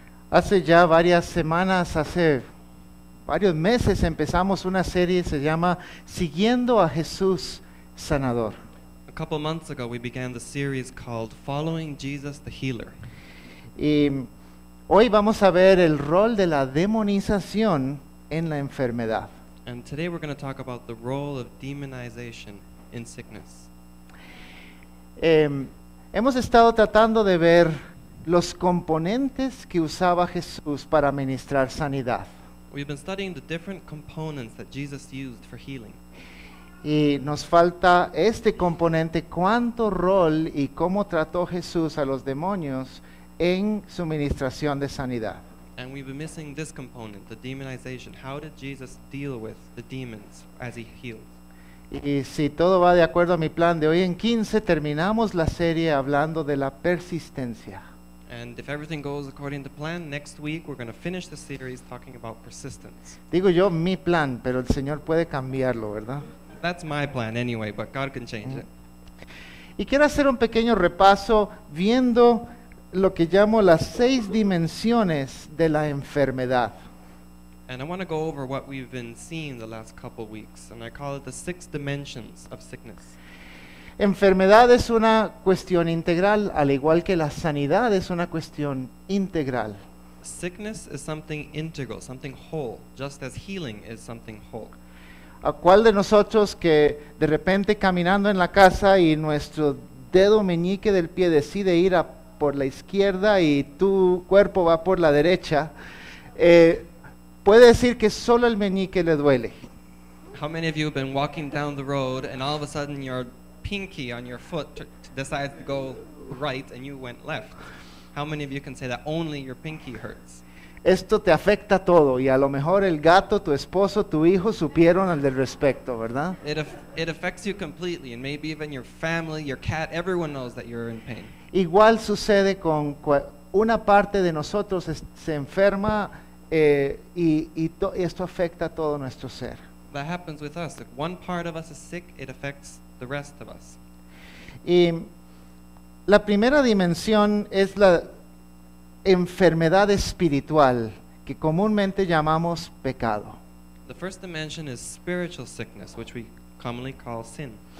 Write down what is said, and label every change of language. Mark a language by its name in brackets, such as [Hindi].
[Spanish] Hace ya varias semanas, hace varios meses, empezamos una serie, se llama Siguiendo a Jesús Sanador. [English] A couple of months ago, we began the series called Following Jesus the Healer. [Spanish] Y hoy vamos a ver el rol de la demonización en la enfermedad. [English] And today we're going to talk about the role of demonization in sickness. [Spanish] Hemos estado tratando de ver los componentes que usaba Jesús para ministrar sanidad. [English] We've been studying the different components that Jesus used for healing. [Spanish] Y nos falta este componente, cuánto rol y cómo trató Jesús a los demonios en su ministración de sanidad. [English] And we've been missing this component, the demonization. How did Jesus deal with the demons as he healed? [Spanish] Y si todo va de acuerdo a mi plan de hoy en 15, terminamos la serie hablando de la persistencia. [English] And if everything goes according to plan, next week we're going to finish the series talking about persistence. [Spanish] Digo yo mi plan, pero el Señor puede cambiarlo, ¿verdad? [English] That's my plan anyway, but God can change it. [Spanish] Y quiero hacer un pequeño repaso viendo lo que llamo las seis dimensiones de la enfermedad. [English] And I want to go over what we've been seeing the last couple of weeks, and I call it the six dimensions of sickness. [Spanish] Enfermedad es una cuestión integral, al igual que la sanidad es una cuestión integral. [English] Sickness is something integral, something whole, just as healing is something whole. [Spanish] ¿A cuál de nosotros que de repente caminando en la casa y nuestro dedo meñique del pie decide ir a por la izquierda y tu cuerpo va por la derecha, puede decir que solo el meñique le duele? [English] How many of you have been walking down the road and all of a sudden your pinky on your foot decides to go right and you went left? How many of you can say that only your pinky hurts? [Spanish] Esto te afecta todo y a lo mejor el gato, tu esposo, tu hijo supieron al del respecto, ¿verdad? [English] It affects you completely, and maybe even your family, your cat, everyone knows that you're in pain. [Spanish] Igual sucede con una parte de nosotros se enferma y esto afecta a todo nuestro ser. [English] That happens with us. If one part of us is sick, it affects the rest of us. [Spanish] Y la primera dimensión es la enfermedad espiritual, que comúnmente llamamos pecado. [English] The first dimension is spiritual sickness, which we commonly call sin.